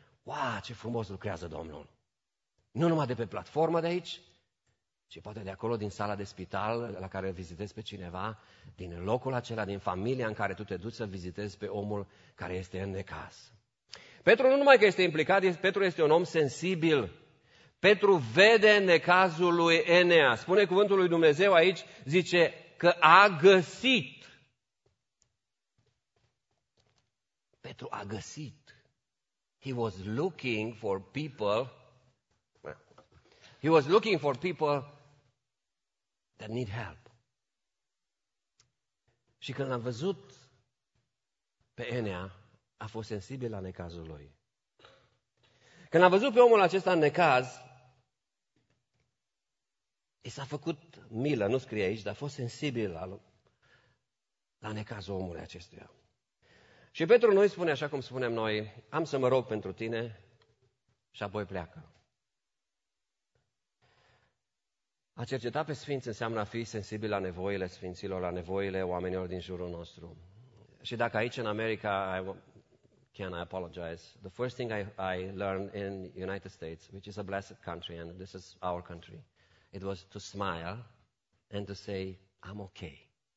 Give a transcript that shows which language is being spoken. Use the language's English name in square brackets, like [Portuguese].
[Romanian] Wow, ce frumos lucrează Domnul! Nu numai de pe platformă de aici, ci poate de acolo, din sala de spital la care vizitezi pe cineva, din locul acela, din familia în care tu te duci să vizitezi pe omul care este în necaz. Petru nu numai că este implicat, Petru este un om sensibil. Petru vede necazul lui Enea. Spune cuvântul lui Dumnezeu aici, zice că a găsit. Petru a găsit. [English] He was looking for people that need help. [Romanian] Și când l-a văzut pe Enea, a fost sensibil la necazul lui. Când a văzut pe omul acesta în necaz, i s-a făcut milă, nu scrie aici, dar a fost sensibil la necazul omului acestuia. Și Petru nu îi spune așa cum spunem noi, am să mă rog pentru tine și apoi pleacă. A cerceta pe sfinți înseamnă a fi sensibil la nevoile sfinților, la nevoile oamenilor din jurul nostru. Și dacă aici în America, [English] I apologize, the first thing I learned in United States, which is a blessed country and this is our country, it was to smile and to say, I'm okay.